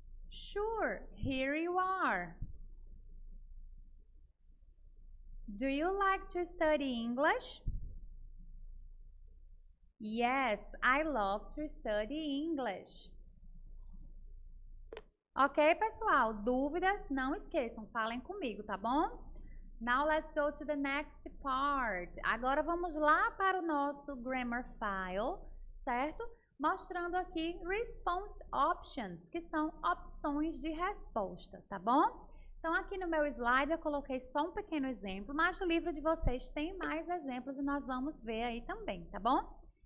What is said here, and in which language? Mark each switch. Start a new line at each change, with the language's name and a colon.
English: Sure, here you are. Do you like to study English? Yes, I love to study English.
Portuguese: Ok, pessoal, dúvidas, não esqueçam, falem comigo, tá bom?
English: Now let's go to the next part.
Portuguese: Agora vamos lá para o nosso grammar file, certo? Mostrando aqui
English: response options,
Portuguese: que são opções de resposta, tá bom? Então, aqui no meu slide eu coloquei só um pequeno exemplo, mas o livro de vocês tem mais exemplos e nós vamos ver aí também, tá bom?